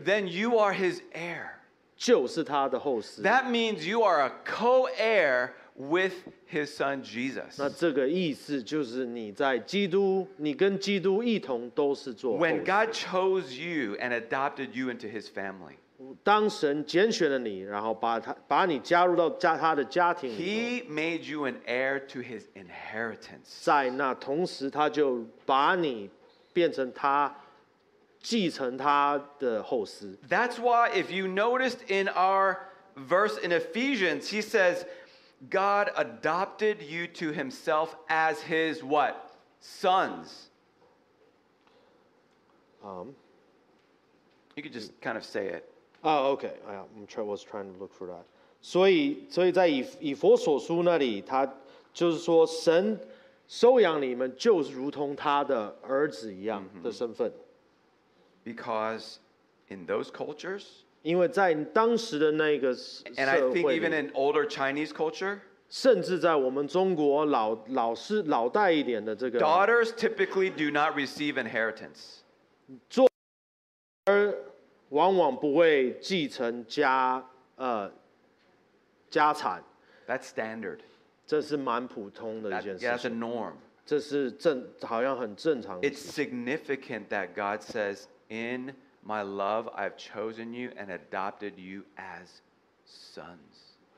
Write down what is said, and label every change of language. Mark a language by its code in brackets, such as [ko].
[en] ，then you are his heir, [zh] 就是他的后嗣。 [en] That means you are a co-heir with his son Jesus. [zh] 那这个意思就是你在基督，你跟基督一同都是做后嗣。 [en] When God chose you and adopted you into his family.” [zh] 当神拣选了你，然后把你加入到他的家庭里。 [en] He made you an heir to his inheritance. [zh] 在那同时，他就把你变成他继承他的后嗣。 [en] That's why, if you noticed in our verse in Ephesians, he says, God adopted you to himself as his what? Sons. You could just kind of say it. Oh, okay. I was trying to look for that. [zh] 所以在以弗所书那里，他就是说，神收养你们，就是如同他的儿子一样的身份。 [en] Because in those cultures, [zh] 因为在当时的那个社会， [en] and I think even in older Chinese culture, [zh] 甚至在我们中国老代一点的这个， [en] daughters typically do not receive inheritance. [zh] 做儿往往不会继承家产。 [en] That's standard. [zh] 这是蛮普通的一件事情。 [en] That's a norm. [zh] 这是好像很正常的。 [en] It's significant that God says, "In my love, I've chosen you and adopted you as sons."